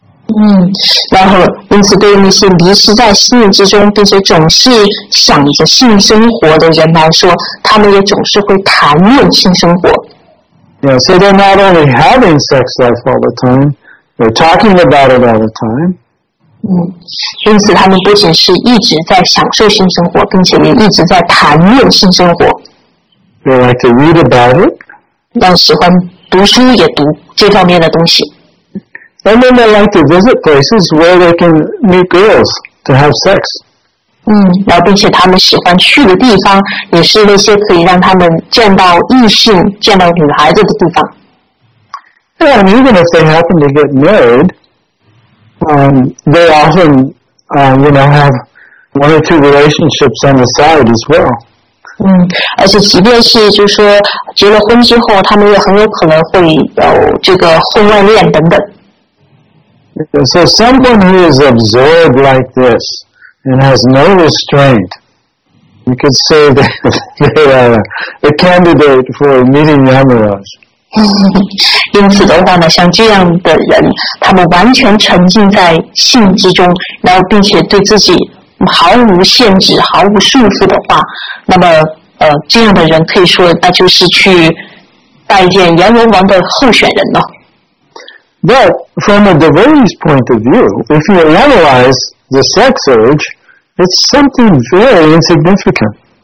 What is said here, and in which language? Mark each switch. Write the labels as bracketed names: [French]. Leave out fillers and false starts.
[Chinese] 嗯，然后因此对那些迷失在性之中，并且总是想着性生活的人来说，他们也总是会谈论性生活。 [English] Yeah, so they're not only having sex life all the time, they're talking about it all the time. [Chinese] 嗯，因此他们不仅是一直在享受性生活，并且也一直在谈论性生活。 [English] They like to read about it. [Chinese] 但喜欢读书也读这方面的东西。 [English] And then they like to visit places where they can meet girls to have sex. [Chinese] 嗯，然后并且他们喜欢去的地方也是那些可以让他们见到异性、见到女孩子的地方。 [English] Yeah, and even if they happen to get married, they often, have one or two relationships on the side as well. [Chinese] 嗯，而且即便是就是说结了婚之后，他们也很有可能会有这个婚外恋等等。 [English] So someone who is absorbed like this and has no restraint, you could say that they are the candidate for meeting Yamaraj. [Chinese] 因此的话呢，像这样的人，他们完全沉浸在性之中，然后并且对自己毫无限制、毫无束缚的话，那么这样的人可以说那就是去拜见阎罗王的候选人了。 [English] But from a devotee's point of view, if you analyze the sex urge, it's something very insignificant.